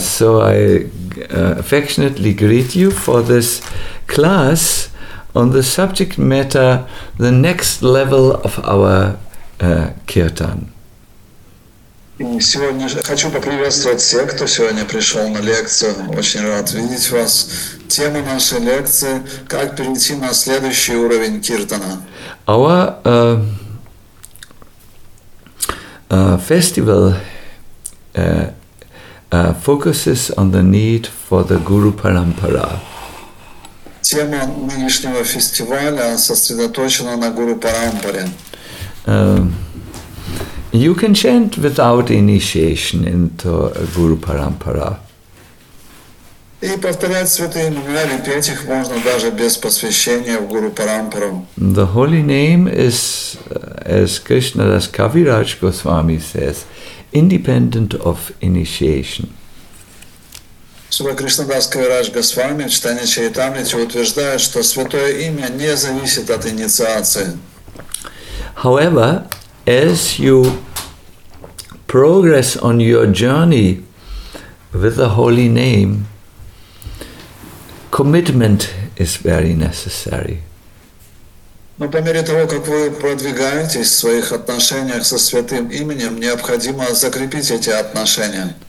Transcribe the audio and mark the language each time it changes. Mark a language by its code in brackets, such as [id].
[en] So I affectionately greet you for this class on the subject matter, the next level of our kirtan. [ru] Сегодня хочу поприветствовать всех, кто сегодня пришел на лекцию. Очень рад видеть вас. Тема нашей лекции – как перейти на следующий уровень киртана. [en] Our festival focuses on the need for the Guru Parampara. [ru] Тема нынешнего фестиваля сосредоточена на Гуру Парампаре. [en] You can chant without initiation into Guru Parampara. [ru] И повторять святые имена, петь их можно даже без посвящения в Гуру Парампару. [en] The holy name is, as Krishna Das Kaviraj Goswami says, independent of initiation. [ru] Шрила Кришна Дас Кавирадж Госвами в читании Чайтамрити утверждает, что святое имя не зависит от инициации. [en] However, as you progress on your journey with the holy name, commitment is very necessary. [ru] Но по мере того, как вы продвигаетесь в своих отношениях со святым именем, необходимо закрепить эти отношения.